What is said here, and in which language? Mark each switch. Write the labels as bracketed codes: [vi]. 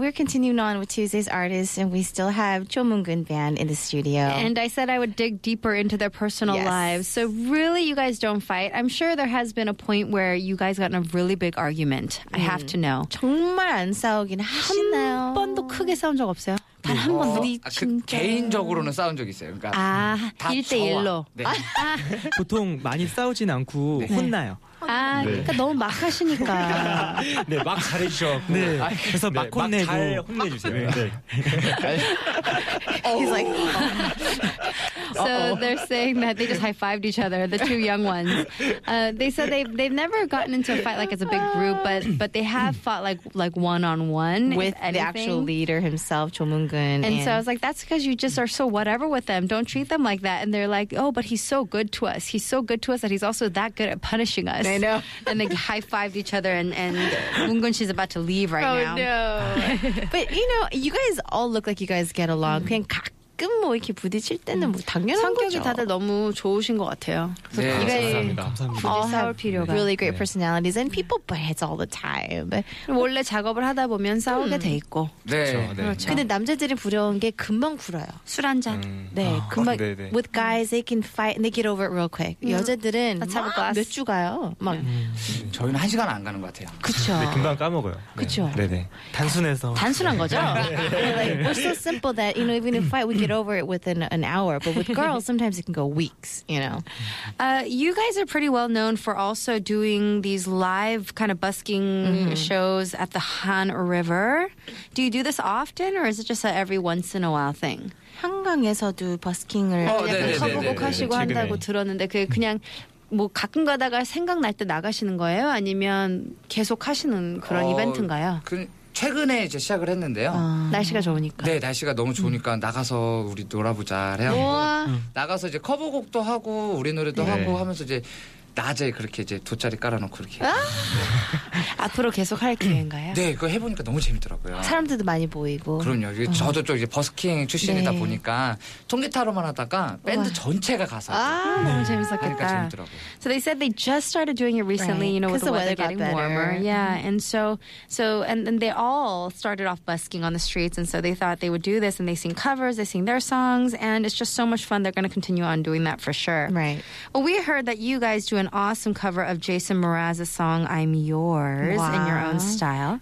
[en] We're continuing on with Tuesday's artists, and we still have Jomungun Band in the studio. And I said I would dig deeper into their personal lives. So really, you guys don't fight. I'm sure there has been a point where you guys got in a really big argument. I have to know. [ko] 정말 안 싸우긴 하시나요? 한 번도 크게 싸운 적 없어요? 단 한 번도 개인적으로는 싸운 적 있어요. 그러니까 아, 1대1로. 네. 아. 보통 많이 싸우진 않고 네. 혼나요. 아, 네. 그러니까 너무 막 하시니까. 네, 막 잘해 주셔. 네. 아, 그래서 막 네, 혼내고 막 잘 혼내 주세요. 네. 네. [en] He's like So they're saying that they just high-fived each other, the two young ones. They said they've never gotten into a fight like as a big group, but they have fought like one-on-one. With the actual leader himself, Cho Moon-gun. And so I was like, that's because you just are so whatever with them. Don't treat them like that. And they're like, oh, but he's so good to us. He's so good to us that he's also that good at punishing us. I know. And they high-fived each other, and Moon-gun, she's about to leave right now. Oh, no. But, you know, you guys all look like you guys get along. [ko] 가끔 뭐 이렇게 부딪힐 때는 뭐 당연한 성격이 거죠. 성격이 다들 너무 좋으신 것 같아요. 네, 네. 감사합니다. [en] All have [ko] 필요가. [en] Really great [ko] 네. [en] personalities and people butt heads all the time. [ko] 원래 작업을 하다 보면 싸우게 돼 있고. 네. 그렇죠. 근데 남자들이 부러운 게 금방 굴어요. 술 한 잔. 네. 금방. 네, 네. [en] With guys, they can fight and they get over it real quick. [ko] 여자들은 막 몇 주 가요. 막. 저희는 한 시간 안 가는 것 같아요. 그렇죠. 네, 금방 까먹어요. 네. 그렇죠. 네, 네. 단순해서. 단순한 거죠. [en] Like, we're so simple that you know even if fight we get over it within an hour, but with girls sometimes it can go weeks, you know. You guys are pretty well known for also doing these live kind of busking shows at the Han River. Do you do this often or is it just a every once in a while thing? [ko] 한강에서도 버스킹을 커보고 하시고 한다고 들었는데 그 그냥 뭐 가끔 가다가 생각날 때 나가시는 거예요? 아니면 계속 하시는 그런 이벤트인가요? 최근에 이제 시작을 했는데요. 날씨가 좋으니까. 네, 날씨가 너무 좋으니까 나가서 우리 놀아보자. 그래요. 나가서 이제 커버곡도 하고 우리 노래도 하고 하면서 이제 낮에 그렇게 이제 돗자리 깔아놓고 그렇게. 앞으로 계속 할 계획인가요? 네, 그거 해보니까 너무 재밌더라고요. 사람들도 많이 보이고. 그럼요. 저도 좀 이제 버스킹 출신이다 네. 보니까 통기타로만 하다가 밴드 전체가 가서. 아, 너무 재밌었겠다. 하니까 재밌더라고요. [en] So they said they just started doing it recently, right. you know, with the weather getting better. Warmer. Yeah, and so, and they all started off busking on the streets, and so they thought they would do this, and they sing covers, they sing their songs, and it's just so much fun. They're going to continue on doing that for sure. Right. Well, we heard that you guys do an awesome cover of Jason Mraz's song I'm Yours wow. in your own style.